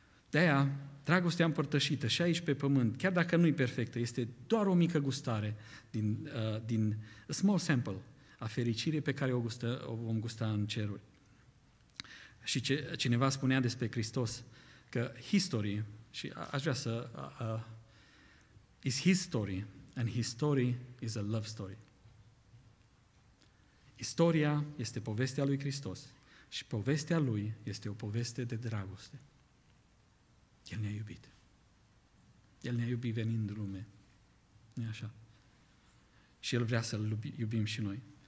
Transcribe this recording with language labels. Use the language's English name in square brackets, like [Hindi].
[Romanian] De-aia, dragostea împărtășită și aici pe pământ, chiar dacă nu e perfectă, este doar o mică gustare din [English] a small sample [Romanian] a fericirii pe care o vom gusta în ceruri. Și cineva spunea despre Hristos că history... Și aș vrea să... [English] is his story, and his story is a love story. [Romanian] Istoria este povestea lui Hristos și povestea lui este o poveste de dragoste. El ne-a iubit. El ne-a iubit venind în lume. Nu-i așa? Și El vrea să-L iubim și noi.